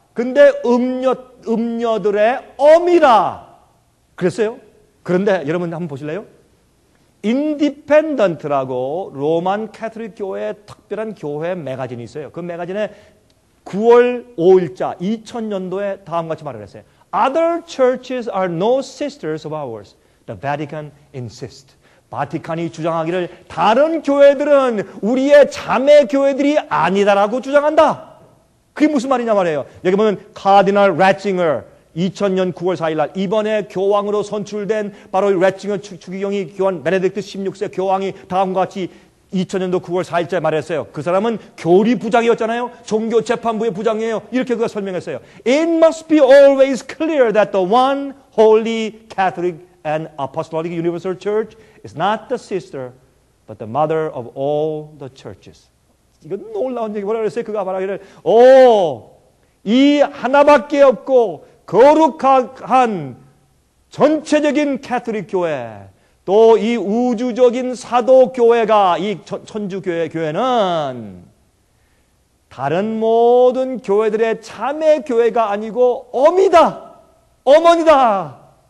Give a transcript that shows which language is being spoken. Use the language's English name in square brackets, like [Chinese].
[Korean] 근데 음녀들의 어미라. 그랬어요? 그런데 여러분 한번 보실래요? 인디펜던트라고 로만 캐톨릭 교회의 특별한 교회 매거진이 있어요. 그 매거진에 9월 5일자 2000년도에 다음과 같이 말을 했어요. [English] Other churches are no sisters of ours. The Vatican insists. [Korean] 바티칸이 주장하기를 다른 교회들은 우리의 자매 교회들이 아니다라고 주장한다. 그게 무슨 말이냐 말이에요. 여기 보면 카디널 레칭어 2000년 9월 4일날 이번에 교황으로 선출된 바로 레칭어 추기경이 교황 베네딕트 16세 교황이 다음과 같이 2000년도 9월 4일자에 말했어요. 그 사람은 교리 부장이었잖아요. 종교 재판부의 부장이에요. 이렇게 그가 설명했어요. [English] It must be always clear that the one holy Catholic and apostolic universal church is not the sister, but the mother of all the churches. [Korean] 이건 놀라운 얘기 뭐라고 했어요? 그가 말하기를, 오, 이 하나밖에 없고 거룩한 전체적인 캐토릭 교회, 또 이 우주적인 사도 교회가 이 천주교회 교회는 다른 모든 교회들의 자매 교회가 아니고 어미다, 어머니다.